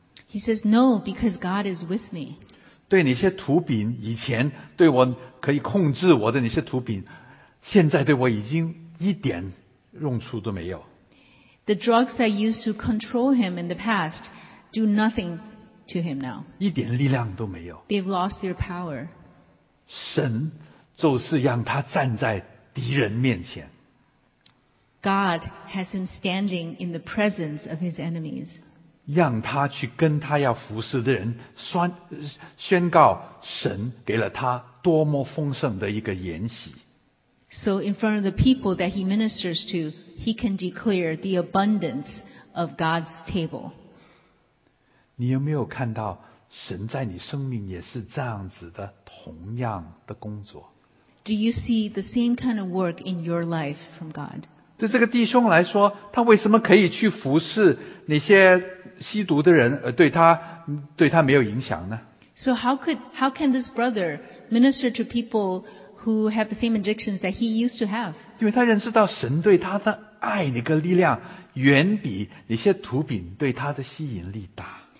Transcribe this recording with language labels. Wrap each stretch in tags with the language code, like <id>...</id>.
<en>He says, no, because God is with me.</en> <zh>对那些毒品，以前对我可以控制我的那些毒品，现在对我已经一点用处都没有。</zh> <en>The drugs that used to control him in the past do nothing to him now.</en> <zh>一点力量都没有。</zh> <en>They've lost their power.</en> <zh>神就是让他站在敌人面前。</zh> <en>God has him standing in the presence of his enemies.</en> <zh>让他去跟他要服侍的人宣告神给了他多么丰盛的一个筵席。</zh> <en>So in front of the people that he ministers to, he can declare the abundance of God's table.</en> <zh>你有没有看到神在你生命也是这样子的同样的工作？</zh> <en>Do you see the same kind of work in your life from God?</en> <zh>对这个弟兄来说，他为什么可以去服侍那些吸毒的人，而对他没有影响呢？</zh> <en>So how can this brother minister to people who have the same addictions that he used to have.</en> <zh>因为他认识到神对他的爱那个力量远比那些毒品对他的吸引力大。</zh>